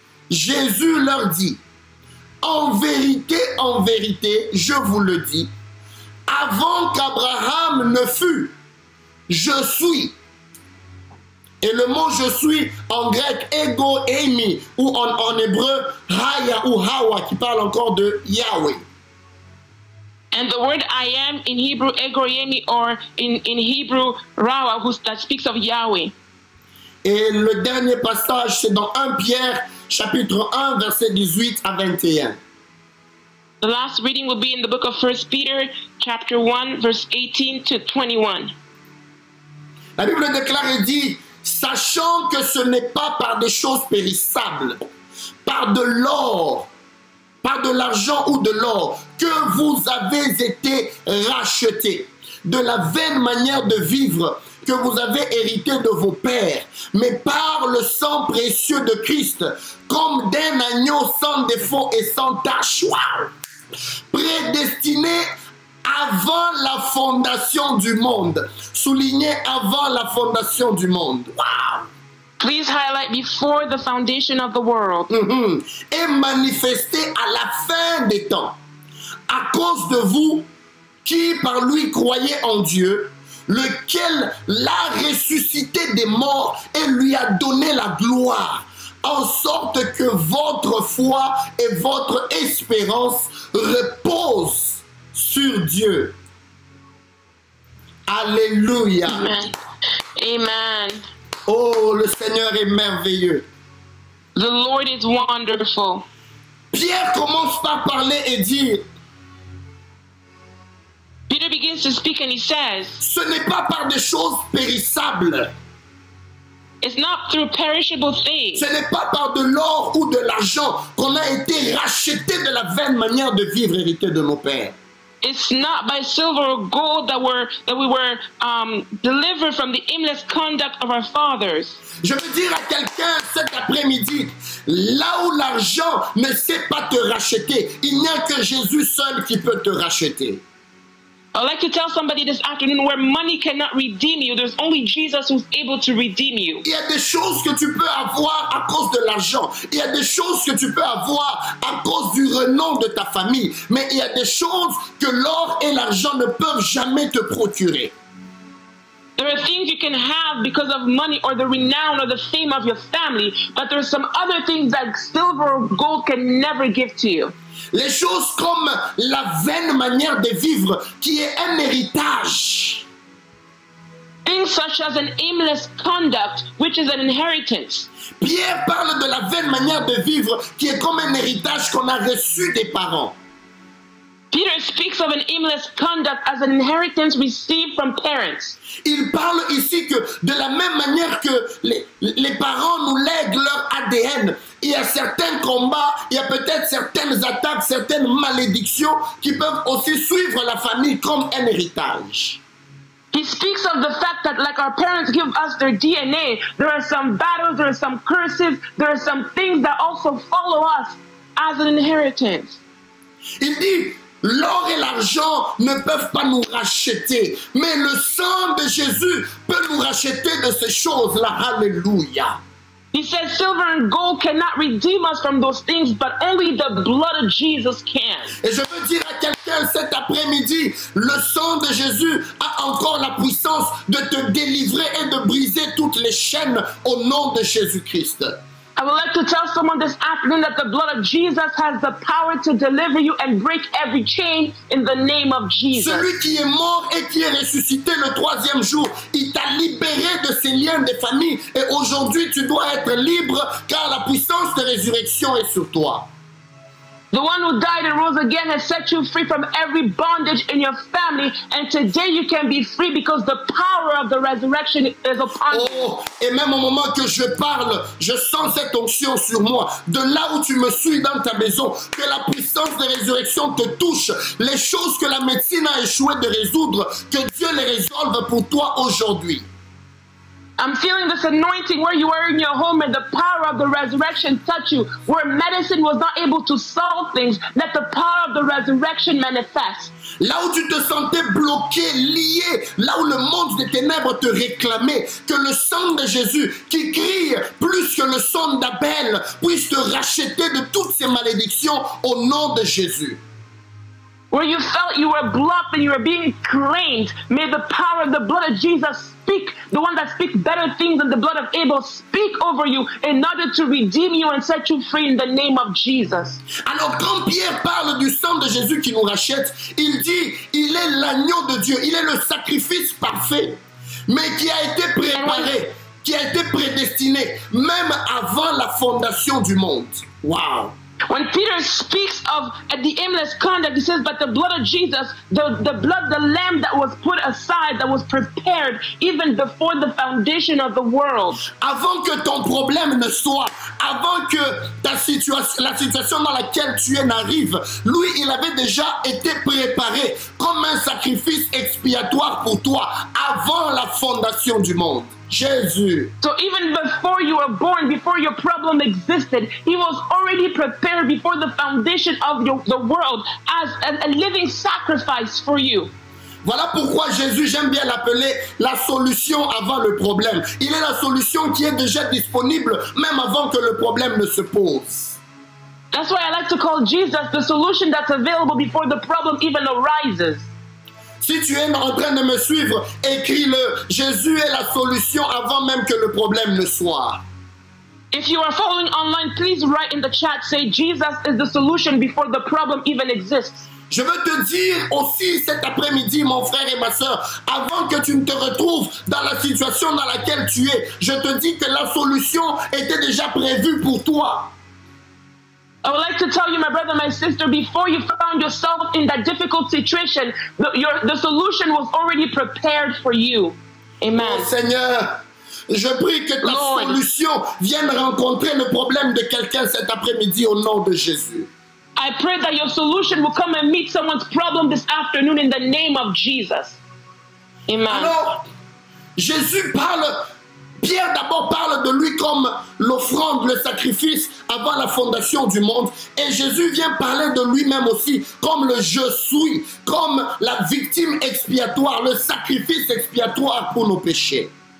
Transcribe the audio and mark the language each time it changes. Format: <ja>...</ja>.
<fr>Jésus leur dit, en vérité, je vous le dis, avant qu'Abraham ne fût, je suis. Et le mot je suis en grec, ego, eimi, ou en hébreu, haya ou hawa, qui parle encore de Yahweh.</fr> <en>And the word I am in Hebrew, ego, eimi, or in Hebrew, rawa, that speaks of Yahweh.</en> <fr>Et le dernier passage, c'est dans 1 Pierre, chapitre 1, verset 18 à 21.</fr> <en>The last reading will be in the book of 1 Peter, chapter 1, verse 18 to 21.</en> <fr>La Bible déclare et dit, sachant que ce n'est pas par des choses périssables, par de l'or, par de l'argent ou de l'or, que vous avez été rachetés, de la vaine manière de vivre que vous avez hérité de vos pères, mais par le sang précieux de Christ, comme d'un agneau sans défaut et sans tache. Wow! Prédestiné avant la fondation du monde, souligné avant la fondation du monde.</fr> <en>Wow. Please highlight before the foundation of the world.</en> <fr>Et manifesté à la fin des temps, à cause de vous qui par lui croyez en Dieu, lequel l'a ressuscité des morts et lui a donné la gloire, en sorte que votre foi et votre espérance reposent sur Dieu. Alléluia. Amen. Oh, le Seigneur est merveilleux.</fr> <en>The Lord is wonderful.</en> <fr>Pierre commence par parler et dire,</fr> <en>Peter begins to speak and he says,</en> <fr>ce n'est pas par des choses périssables.</fr> <en>It's not through perishable things.</en> <fr>Ce n'est pas par de l'or ou de l'argent qu'on a été racheté de la vaine manière de vivre héritée de nos pères.</fr> <en>It's not by silver or gold that we were delivered from the aimless conduct of our fathers.</en> <fr>Je veux dire à quelqu'un cet après-midi, là où l'argent ne sait pas te racheter, il n'y a que Jésus seul qui peut te racheter.</fr> <en>I'd like to tell somebody this afternoon where money cannot redeem you. There's only Jesus who's able to redeem you.</en> <fr>Il y a des choses que tu peux avoir à cause de l'argent. Il y a des choses que tu peux avoir à cause du renom de ta famille. Mais il y a des choses que l'or et l'argent ne peuvent jamais te procurer.</fr> <en>There are things you can have because of money or the renown or the fame of your family. But there are some other things that silver or gold can never give to you.</en> <fr>Les choses comme la vaine manière de vivre qui est un héritage.</fr> <en>Things such as an aimless conduct, which is an inheritance.</en> <fr>Pierre parle de la vaine manière de vivre qui est comme un héritage qu'on a reçu des parents.</fr> <en>Peter speaks of an aimless conduct as an inheritance received from parents.</en> <fr>Il parle ici que de la même manière que les parents nous lèguent leur ADN, il y a certains combats, il y a peut-être certaines attaques, certaines malédictions qui peuvent aussi suivre la famille comme un héritage.</fr> <en>He speaks of the fact that like our parents give us their DNA, there are some battles, there are some curses, there are some things that also follow us as an inheritance.</en> <fr>Il dit, l'or et l'argent ne peuvent pas nous racheter, mais le sang de Jésus peut nous racheter de ces choses-là. Alléluia.</fr> <en>He says silver and gold cannot redeem us from those things, but only the blood of Jesus can.</en> <fr>Et je veux dire à quelqu'un cet après-midi, le sang de Jésus a encore la puissance de te délivrer et de briser toutes les chaînes au nom de Jésus-Christ.</fr> <en>I would like to tell someone this afternoon that the blood of Jesus has the power to deliver you and break every chain in the name of Jesus.</en> <fr>Celui qui est mort et qui est ressuscité le troisième jour, il t'a libéré de ces liens de famille et aujourd'hui tu dois être libre car la puissance de résurrection est sur toi.</fr> <en>The one who died and rose again has set you free from every bondage in your family, and today you can be free because the power of the resurrection is upon you.</en> <fr>Oh, et même au moment que je parle, je sens cette onction sur moi. De là où tu me suis dans ta maison, que la puissance de résurrection te touche. Les choses que la médecine a échoué de résoudre, que Dieu les résolve pour toi aujourd'hui.</fr> <en>I'm feeling this anointing where you are in your home and the power of the resurrection touch you. Where medicine was not able to solve things, let the power of the resurrection manifest.</en> <fr>Là où tu te sentais bloqué, lié, là où le monde des ténèbres te réclamait, que le sang de Jésus qui crie plus que le sang d'Abel puisse te racheter de toutes ces malédictions au nom de Jésus.</fr> <en>Where you felt you were blocked and you were being claimed, may the power of the blood of Jesus speak, the one that speaks better things than the blood of Abel, speak over you in order to redeem you and set you free in the name of Jesus.</en> <fr>Alors quand Pierre parle du sang de Jésus qui nous rachète, il dit, il est l'agneau de Dieu, il est le sacrifice parfait, mais qui a été préparé, qui a été prédestiné, même avant la fondation du monde.</fr> <en>Wow! When Peter speaks of the aimless conduct, he says, but the blood of Jesus, the blood, the lamb that was put aside, that was prepared even before the foundation of the world.</en> <fr>Avant que ton problème ne soit, avant que ta situation, la situation dans laquelle tu es n'arrive, lui, il avait déjà été préparé comme un sacrifice expiatoire pour toi avant la fondation du monde. Jésus.</fr> <en>So even before you were born, before your problem existed, he was already prepared before the foundation of the world as a living sacrifice for you.</en> <fr>Voilà pourquoi Jésus, j'aime bien l'appeler la solution avant le problème. Il est la solution qui est déjà disponible même avant que le problème ne se pose.</fr> <en>That's why I like to call Jesus the solution that's available before the problem even arises.</en> <fr>Si tu es en train de me suivre, écris-le. Jésus est la solution avant même que le problème ne soit.</fr> <en>If you are following online, please write in the chat, say Jesus is the solution before the problem even exists.</en> <fr>Je veux te dire aussi cet après-midi, mon frère et ma sœur, avant que tu ne te retrouves dans la situation dans laquelle tu es, je te dis que la solution était déjà prévue pour toi.</fr> <en>I would like to tell you, my brother, my sister, before you found yourself in that difficult situation, the solution was already prepared for you. Amen.</en> <fr>Oh, Seigneur, je prie que ta Lord, solution vienne rencontrer le problème de quelqu'un cet après-midi au nom de Jésus.</fr> <en>I pray that your solution will come and meet someone's problem this afternoon in the name of Jesus. Amen.</en> <fr>Alors, Jésus parle, Pierre d'abord parle de lui comme l'offrande, le sacrifice avant la fondation du monde. Et Jésus vient parler de lui-même aussi comme le je suis, comme la victime expiatoire, le sacrifice expiatoire pour nos péchés.</fr>